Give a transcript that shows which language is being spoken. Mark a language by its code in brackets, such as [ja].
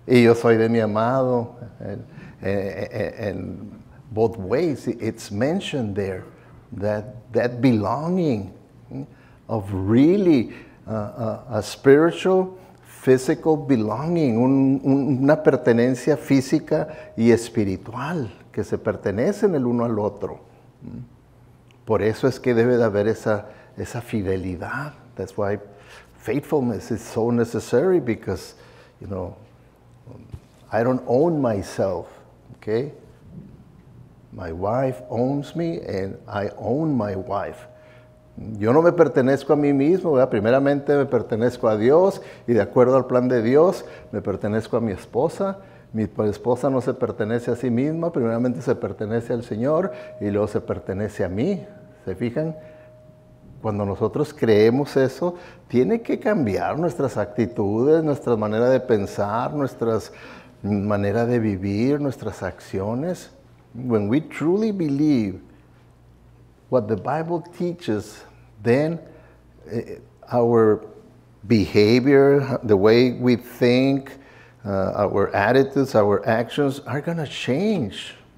[es] Y yo soy de mi amado. [en] And both ways, it's mentioned there, that belonging of really a spiritual, physical belonging, [es] una pertenencia física y espiritual que se pertenecen el uno al otro. Por eso es que debe de haber esa fidelidad. [en] That's why faithfulness is so necessary, because, you know, I don't own myself, okay? My wife owns me and I own my wife. [es] Yo no me pertenezco a mí mismo, ¿verdad? Primeramente me pertenezco a Dios, y de acuerdo al plan de Dios, me pertenezco a mi esposa. Mi esposa no se pertenece a sí misma, primeramente se pertenece al Señor y luego se pertenece a mí. ¿Se fijan? Cuando nosotros creemos eso, tiene que cambiar nuestras actitudes, nuestra manera de pensar, nuestra manera de vivir, nuestras acciones. [en] When we truly believe what the Bible teaches, then our behavior, the way we think, our attitudes, our actions are going to change.